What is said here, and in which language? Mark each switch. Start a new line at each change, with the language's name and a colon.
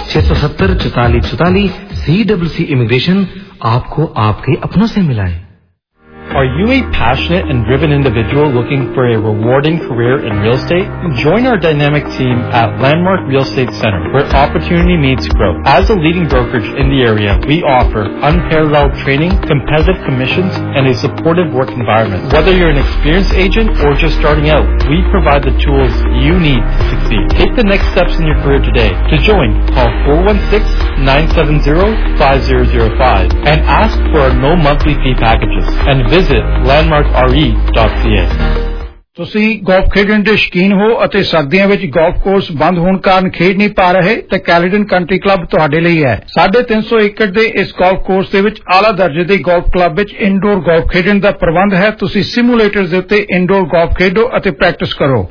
Urdu: 670-4444 CWC Immigration آپ کو آپ کے اپنوں سے ملائے
English: Are you a passionate and driven individual looking for a rewarding career in real estate? Join our dynamic team at Landmark Real Estate Center, where opportunity meets growth. As a leading brokerage in the area, we offer unparalleled training, competitive commissions, and a supportive work environment. Whether you're an experienced agent or just starting out, we provide the tools you need to succeed. Take the next steps in your career today. To join, call 416-970-5005 and ask for our no monthly fee packages. And visit landmarkre.ca.
Punjabi: ਤੁਸੀਂ golf ਖੇਡਣ ਦੇ ਸ਼ੌਕੀਨ ਹੋ ਅਤੇ ਸਰਦੀਆਂ ਵਿੱਚ golf course ਬੰਦ ਹੋਣ ਕਾਰਨ ਖੇਡ ਨਹੀਂ ਪਾ ਰਹੇ ਤਾਂ ਕੈਲੇਡਨ ਕੰਟਰੀ ਕਲੱਬ ਤੁਹਾਡੇ ਲਈ ਹੈ। 350 acres ਦੇ ਇਸ ਗੋਲਫ ਕੋਰਸ ਦੇ ਵਿੱਚ ਆਲਾ ਦਰਜੇ ਦੇ ਗੋਲਫ ਕਲੱਬ ਵਿੱਚ ਇਨਡੋਰ ਗੋਲਫ ਖੇਡਣ ਦਾ ਪ੍ਰਬੰਧ ਹੈ। ਤੁਸੀਂ ਸਿਮੂਲੇਟਰ ਦੇ ਉੱਤੇ ਇਨਡੋਰ ਗੋਲਫ ਖੇਡੋ ਅਤੇ ਪ੍ਰੈਕਟਿਸ ਕਰੋ।